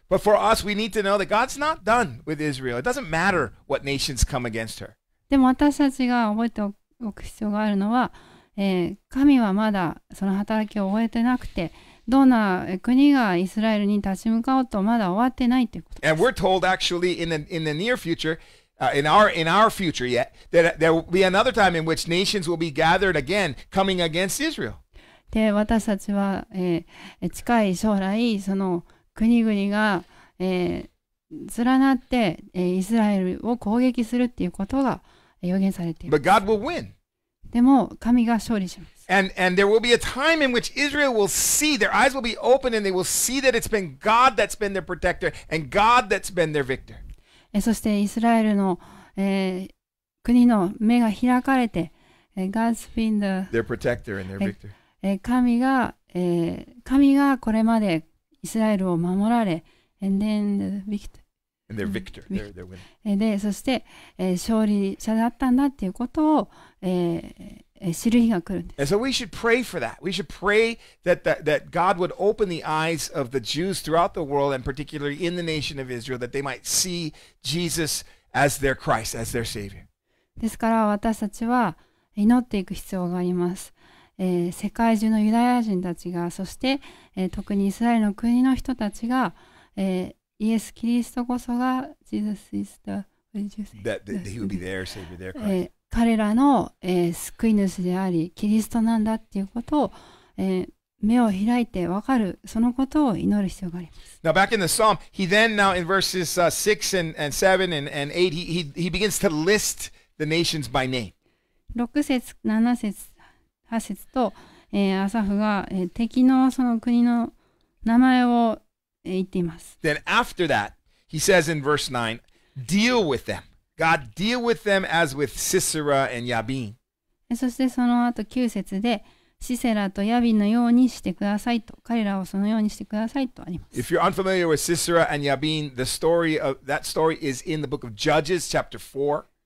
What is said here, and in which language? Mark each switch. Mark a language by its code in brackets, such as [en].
[en] But for us, we need to know that God's not done with Israel. It doesn't matter what nations come against her. [ja] でも私たちが覚えておく必要があるのは、神はまだその働きを終えてなくて、どんな国がイスラエルに立ち向かおうとまだ終わってないということです。 [en] And we're told actually in the near future,in our future yet, that there will be another time in which nations will be gathered again coming against Israel. [ja] で、私たちは、近い将来、その国々が、連なって、イスラエルを攻撃するっていうことが予言されています。 [en] But God will win. [ja] でも、神が勝利します。 [en] And there will be a time in which Israel will see, their eyes will be opened, and they will see that it's been God that's been their protector and God that's been their victor. [ja] そしてイスラエルの、国の目が開かれて、 [en] God's been the, their protector and their victor. [ja] 神が、神がこれまでイスラエルを守られ、 [en] and then the victor. And they're victor. They're winning. [ja] で、そして、勝利者だったんだっていうことを、知る日が来るんです。 [en] And so we should pray for that. We should pray that, that God would open the eyes of the Jews throughout the world and particularly in the nation of Israel that they might see Jesus as their Christ, as their Savior. [ja] ですから私たちは祈っていく必要があります。世界中のユダヤ人たちが、そして、特にイスラエルの国の人たちが、イエス・キリストこそが [en] Jesus is the that he would be their savior, their Christ. [ja] 彼らの、救い主でありキリストなんだっていうことを、目を開いてわかるそのことを祈る必要があります。 [en] Now back in the psalm, he then now in verses 6 and 7 and 8 he begins to list the nations by name. [ja] 6節、7節、8節と、アサフが、敵のその国の名前を [en] Then after that, he says in verse 9, deal with them. God, deal with them as with Sisera and Yabin. [ja] そしてその後9節で、シセラとヤビンのようにしてくださいと、彼らをそのようにしてくださいとあります。 [en] If you're unfamiliar with Sisera and Yabin, the story of that story is in the book of Judges, chapter 4.